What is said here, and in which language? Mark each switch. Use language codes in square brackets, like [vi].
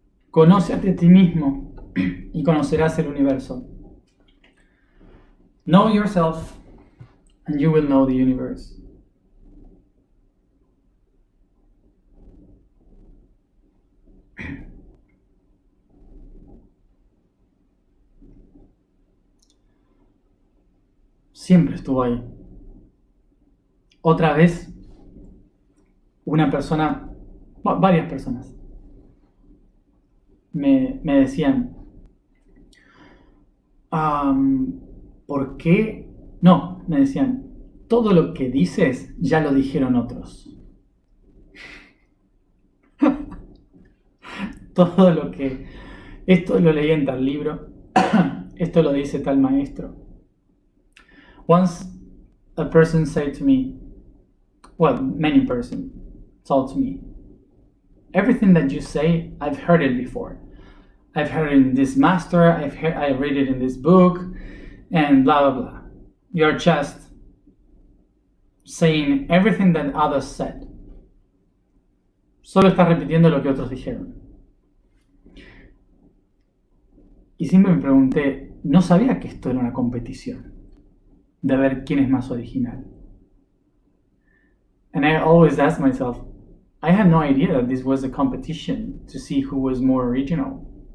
[es] Conócete a ti mismo y conocerás el universo. [en] Know yourself and you will know the universe. [es] Siempre estuvo ahí. Otra vez, una persona, varias personas, me decían, ¿por qué? No, me decían, todo lo que dices ya lo dijeron otros. Todo lo que, esto lo leí en tal libro, esto lo dice tal maestro. [en] Once a person said to me, well, many person told to me, everything that you say, I've heard it before. I've heard it in this master, I read it in this book, and blah, blah, blah. You're just saying everything that others said. [es] Solo está repitiendo lo que otros dijeron. Y siempre me pregunté, no sabía que esto era una competición. De ver quién es más original. [en] And I always ask myself, I had no idea that this was a competition to see who was more original.